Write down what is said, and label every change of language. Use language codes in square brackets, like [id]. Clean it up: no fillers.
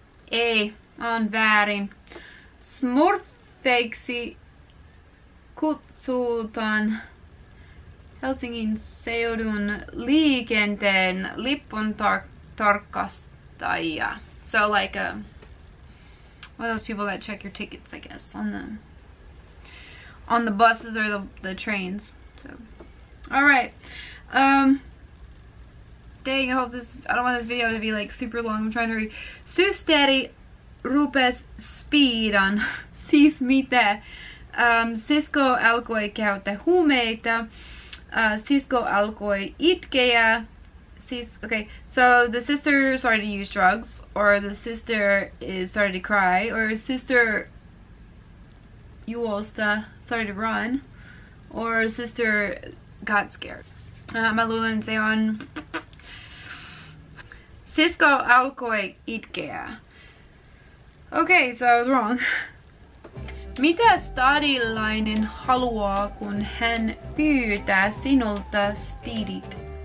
[fi] Ei, on väärin. Smurfeiksi kutsutaan Helsingin seudun liikenteen lippun tarkastajia. [en] So like a one of those people that check your tickets, I guess, on the buses or the trains. So, all right. Dang, I hope this. I don't want this video to be like super long. I'm trying to read. [fi] Susteri rupes speed on. siis mitä sisko alkoi käyttää huumeita. Sisko alkoi itkeä. [en] Okay, so the sister started to use drugs, or the sister is started to cry, or sister Juosta started to run, or sister got scared. [fi] Mä luulen, se on sisko alkoi itkeä. [en] Okay, so I was wrong. [fi] Mitä stadilainen haluaa, kun hän pyytää sinulta stiidit?